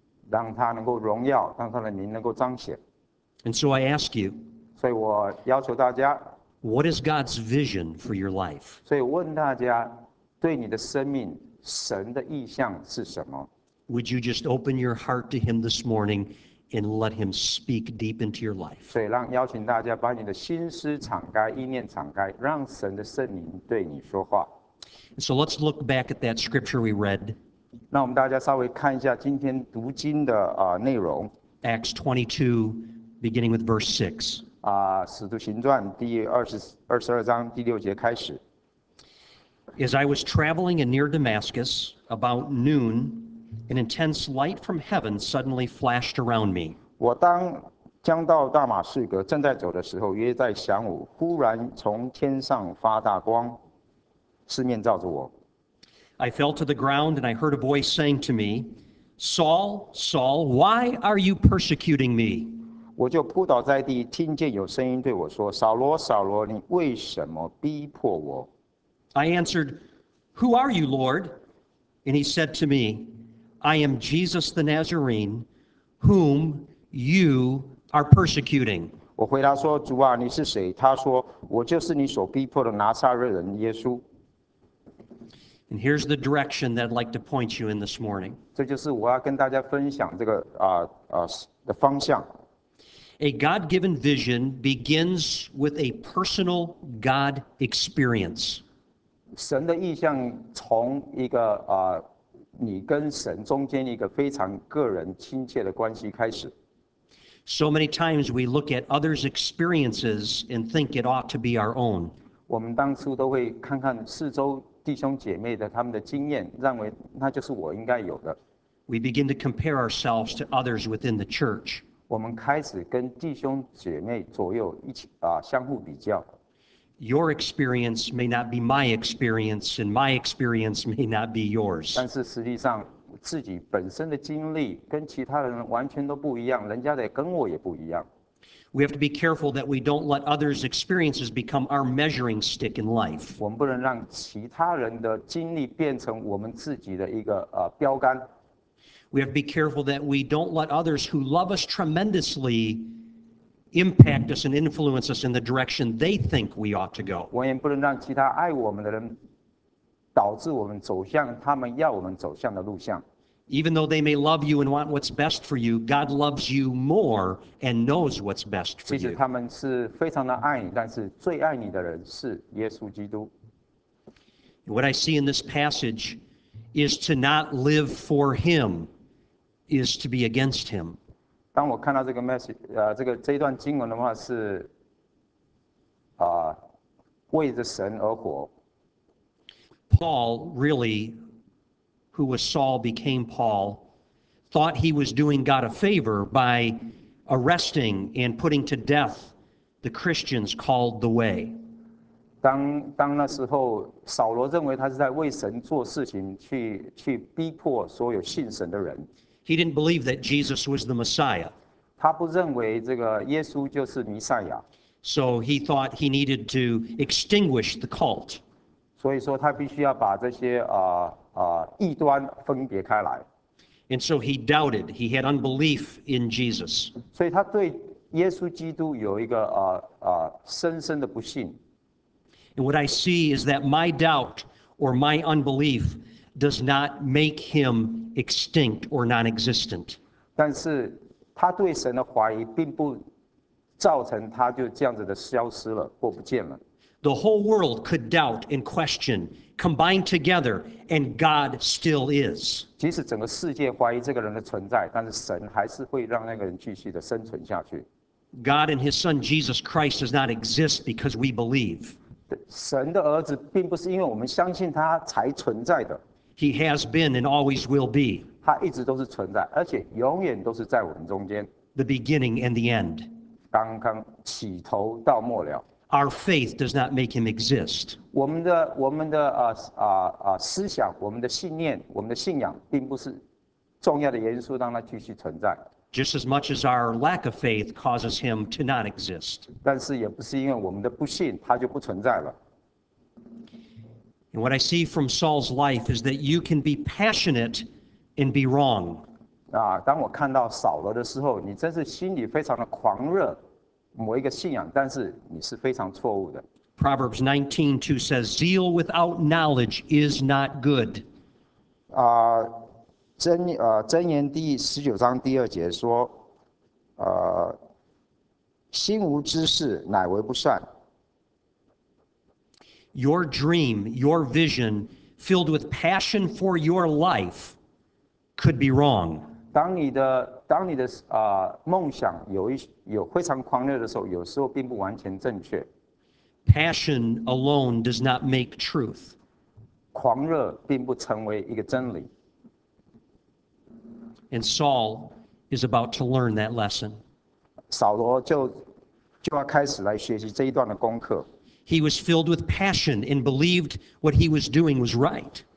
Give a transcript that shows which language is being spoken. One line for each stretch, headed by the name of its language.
Chinese: 让他能够荣耀，让他的名能够彰显。
English: And so I ask you,
Chinese: 所以我要求大家
English: What is God's vision for your life?
Chinese: 所以问大家对你的生命神的意向是什么
English: Would you just open your heart to him this morning and let him speak deep into your life?
Chinese: 所以让邀请大家把你的心思敞开意念敞开让神的圣灵对你说话
English: So let's look back at that scripture we read.
Chinese: 那我们大家稍微看一下今天读经的内容
English: Acts 22 beginning with verse 6
Chinese: 使徒行传第22章第六节开始。
English: As I was traveling in near Damascus, about noon, an intense light from heaven suddenly flashed around me.
Chinese: 我当将到大马士革正在走的时候，约在晌午，忽然从天上发大光，四面照着我。
English: I fell to the ground and I heard a voice saying to me, Saul, Saul, why are you persecuting me?
Chinese: 我就扑倒在地，听见有声音对我说：“扫罗，扫罗，你为什么逼迫我
English: ？”I answered, "Who are you, Lord?" And he said to me, "I am Jesus the Nazarene, whom you are persecuting."
Chinese: 我回答说：“主啊，你是谁？” 他说：“我就是你所逼迫的拿撒勒人耶稣。
English: ”And here's the direction that I'd like to point you in this morning.
Chinese: 这就是我要跟大家分享这个的方向。
English: A God-given vision begins with a personal God experience.
Chinese: 神的意向从一个你跟神中间一个非常个人亲切的关系开始。
English: So many times we look at others' experiences and think it ought to be our own.
Chinese: 我们当初都会看看四周弟兄姐妹的他们的经验，认为那就是我应该有的。
English: We begin to compare ourselves to others within the church.
Chinese: 我们开始跟弟兄姐妹左右一起相互比较。
English: Your experience may not be my experience, and my experience may not be yours.
Chinese: 但是实际上，自己本身的经历跟其他人完全都不一样，人家的跟我也不一样。
English: We have to be careful that we don't let others' experiences become our measuring stick in life.
Chinese: 我们不能让其他人的经历变成我们自己的一个标杆。
English: We have to be careful that we don't let others who love us tremendously impact us and influence us in the direction they think we ought to go.
Chinese: 我也不能让其他爱我们的人导致我们走向他们要我们走向的路向。
English: Even though they may love you and want what's best for you, God loves you more and knows what's best for you.
Chinese: 其实他们是非常的爱你，但是最爱你的人是耶稣基督。
English: What I see in this passage is to not live for him is to be against him.
Chinese: 当我看到这个 message, 这一段经文的话是为着神而活。
English: Paul really, who was Saul, became Paul, thought he was doing God a favor by arresting and putting to death the Christians called the Way.
Chinese: 当那时候，扫罗认为他是在为神做事情，去逼迫所有信神的人。
English: He didn't believe that Jesus was the Messiah.
Chinese: 他不认为这个耶稣就是弥赛亚。
English: So he thought he needed to extinguish the cult.
Chinese: 所以说他必须要把这些异端分别开来。
English: And so he doubted. He had unbelief in Jesus.
Chinese: 所以他对耶稣基督有一个深深的不信。
English: And what I see is that my doubt or my unbelief does not make him extinct or non-existent.
Chinese: 但是他对神的怀疑并不造成他就这样子的消失了或不见了。
English: The whole world could doubt and question, combined together, and God still is.
Chinese: 即使整个世界怀疑这个人的存在，但是神还是会让那个人继续的生存下去。
English: God and His Son Jesus Christ does not exist because we believe.
Chinese: 神的儿子并不是因为我们相信他才存在的。
English: He has been and always will be.
Chinese: 他一直都是存在，而且永远都是在我们中间。
English: The beginning and the end.
Chinese: 刚刚起头到末了。
English: Our faith does not make him exist.
Chinese: 我们的思想，我们的信念，我们的信仰，并不是重要的元素，让它继续存在。
English: Just as much as our lack of faith causes him to not exist.
Chinese: 但是也不是因为我们的不信，他就不存在了。
English: And what I see from Saul's life is that you can be passionate and be wrong.
Chinese: 当我看到扫罗的时候，你真是心里非常的狂热。某一个信仰，但是你是非常错误的。
English: Proverbs 19:2 says, "Zeal without knowledge is not good."
Chinese: 箴言第十九章第二节说，心无知识乃为不善。
English: Your dream, your vision, filled with passion for your life, could be wrong.
Chinese: 当你的梦想有非常狂热的时候，有时候并不完全正确。
English: Passion alone does not make truth.
Chinese: 狂热并不成为一个真理。
English: And Saul is about to learn that lesson.
Chinese: 扫罗就要开始来学习这一段的功课。
English: He was filled with passion and believed what he was doing was right.